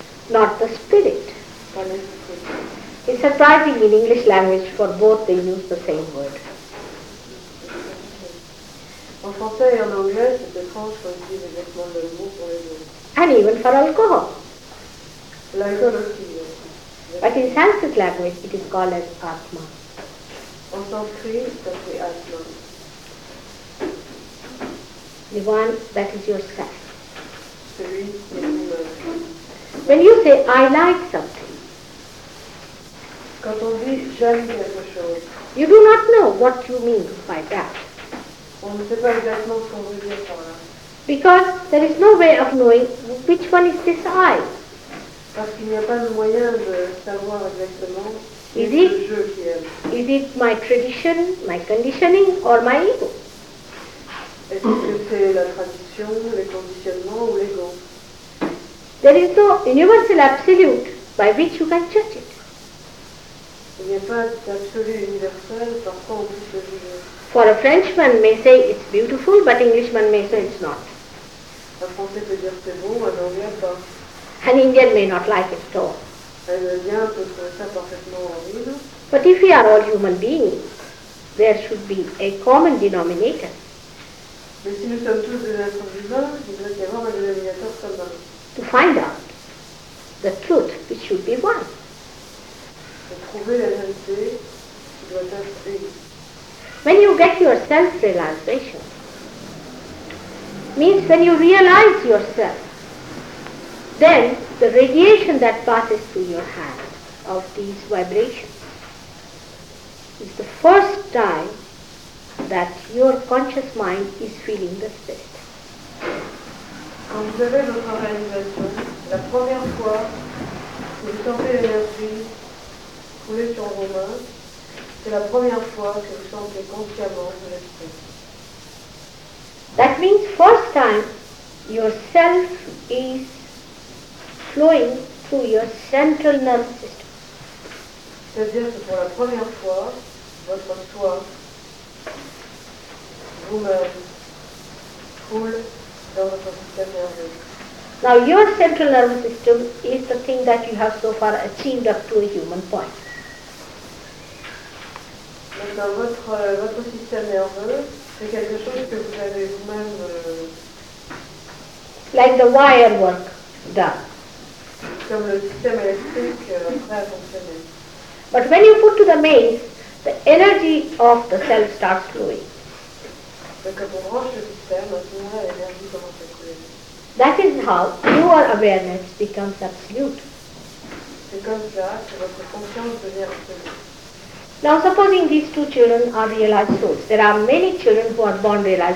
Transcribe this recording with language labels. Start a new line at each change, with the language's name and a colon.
English: Not the spirit. It's surprising in English language, for both they use the same word.
French: En français et en anglais, c'est étrange qu'on utilise exactement le mot pour les deux.
English: And even for alcohol.
French: L'alcool aussi.
English: But in Sanskrit language, it is called as Atma.
French: En sanskrit, ça fait Atma.
English: The one that is yourself.
French: Celui qui est lui-même.
English: When you say, I like something,
French: quand on dit j'aime quelque chose,
English: you do not know what you mean by that.
French: On ne sait pas exactement ce qu'on veut dire par là.
English: Because there is no way of knowing which one is this I.
French: Parce qu'il n'y a pas de moyen de savoir exactement ce que je qui aime.
English: Is it my tradition, my conditioning or my ego?
French: Est-ce que c'est la tradition, les conditionnements ou l'ego?
English: There is no universal absolute by which you can judge it.
French: Il n'y a pas d'absolu universel, par quoi on puisse le juger.
English: For a Frenchman may say it's beautiful, but Englishman may say it's not.
French: Un Français peut dire c'est beau, un Anglais pas.
English: An Indian may not like it at all.
French: Un Indien peut trouver ça parfaitement horrible.
English: But if we are all human beings, there should be a common denominator.
French: Mais si nous sommes tous des êtres humains, il devrait y avoir un dénominateur commun.
English: To find out the truth, which should be one.
French: Trouver la vérité doit être une.
English: When you get your self-realization, means when you realize yourself, then the radiation that passes through your hand of these vibrations is the first time that your conscious mind is feeling the spirit.
French: Quand vous avez votre réalisation, la première fois sentir l'énergie couler sur vos mains, c'est la première fois que vous sentez consciemment de l'esprit.
English: That means first time yourself is flowing through your central nervous system.
French: C'est-à-dire que pour la première fois, votre soi, vous-même, coule dans votre système nerveux.
English: Now your central nervous system is the thing that you have so far achieved up to a human point.
French: Maintenant, votre système nerveux, c'est quelque chose que vous avez vous-même...
English: Like the wire work done.
French: Comme le système électrique prêt à fonctionner.
English: But when you put to the maze, the energy of the cell starts flowing.
French: Donc quand on branche le système, maintenant l'énergie commence à couler.
English: That is how your awareness becomes absolute.
French: C'est comme ça que votre conscience devient absolue.
English: Now supposing these two children are realized souls. There are many children who are born realized.